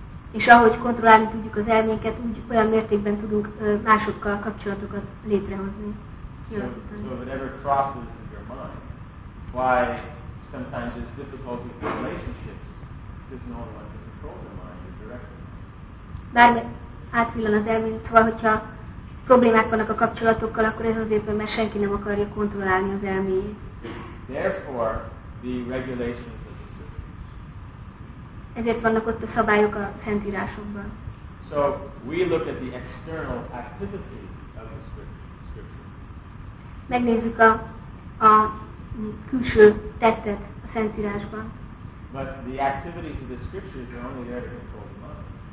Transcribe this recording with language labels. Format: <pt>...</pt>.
<hu>És ahogy kontrollálni tudjuk az elménket, úgy olyan mértékben tudunk másokkal kapcsolatokat létrehozni.</hu> <en>So whatever crosses in your mind, why sometimes there's difficulty with relationships, because no one wants to control their mind or direct their mind.</en> <hu>Bármi átvillan az elmén, szóval hogyha problémák vannak a kapcsolatokkal, akkor ez azért, mert senki nem akarja kontrollálni az elméjét.</hu> <en>Therefore, the regulations.</en> <hu>Ezért vannak ott a szabályok a szentírásokban.</hu> <en>So we look at the external activity of the scripture.</en> <hu>Megnézzük a külső tettet a szentírásban.</hu> <en>But the activities of the scriptures are only there to control the mind.</en>